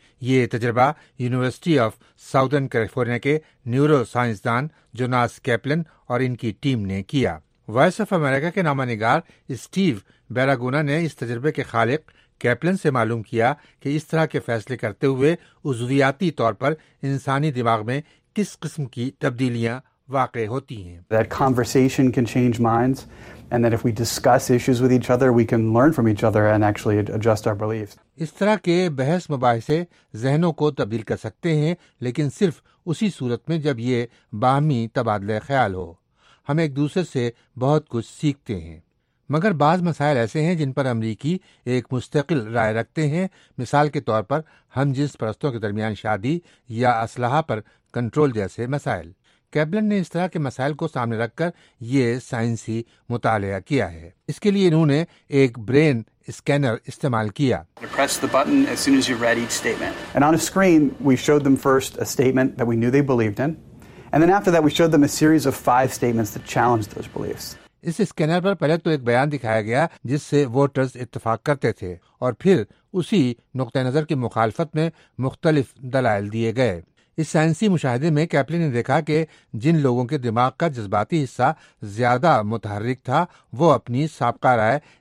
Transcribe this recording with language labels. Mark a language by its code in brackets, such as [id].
[ur] یہ تجربہ university of southern California کے نیورو سائنسدان جوناس کیپلن اور ان کی ٹیم نے کیا۔ وائس آف امریکہ کے نامہ نگار اسٹیو بیراگونا نے اس تجربے کے خالق کیپلن سے معلوم کیا کہ اس طرح کے فیصلے کرتے ہوئے عضویاتی طور پر انسانی دماغ میں کس قسم کی تبدیلیاں واقع ہوتی ہیں۔ [en] That conversation can change minds and that if we discuss issues with each other we can learn from each other and actually adjust our beliefs۔ [ur] اس طرح کے بحث مباحثے ذہنوں کو تبدیل کر سکتے ہیں، لیکن صرف اسی صورت میں جب یہ باہمی تبادلہ خیال ہو۔ ہم ایک دوسرے سے بہت کچھ سیکھتے ہیں، مگر بعض مسائل ایسے ہیں جن پر امریکی ایک مستقل رائے رکھتے ہیں۔ مثال کے طور پر ہم جنس پرستوں کے درمیان شادی یا اسلحہ پر کنٹرول جیسے مسائل۔ کیپلن نے اس طرح کے مسائل کو سامنے رکھ کر یہ سائنسی مطالعہ کیا ہے۔ اس کے لیے انہوں نے ایک برین اسکینر استعمال کیا۔ [en] Press the button as soon as you've read each statement. And on a screen, we showed them first a statement that we knew they believed in. And then after that, we showed them a series of five statements that challenged those beliefs. [ur] اس scanner پر پہلے تو ایک بیان دکھایا گیا جس سے voters اتفاق کرتے تھے، اور پھر اسی نقطہ نظر کی مخالفت میں مختلف دلائل دیے گئے۔ اس سائنسی مشاہدے میں کیپلن نے دیکھا کہ جن لوگوں کے دماغ کا جذباتی حصہ زیادہ متحرک تھا وہ اپنی سابقہ رائے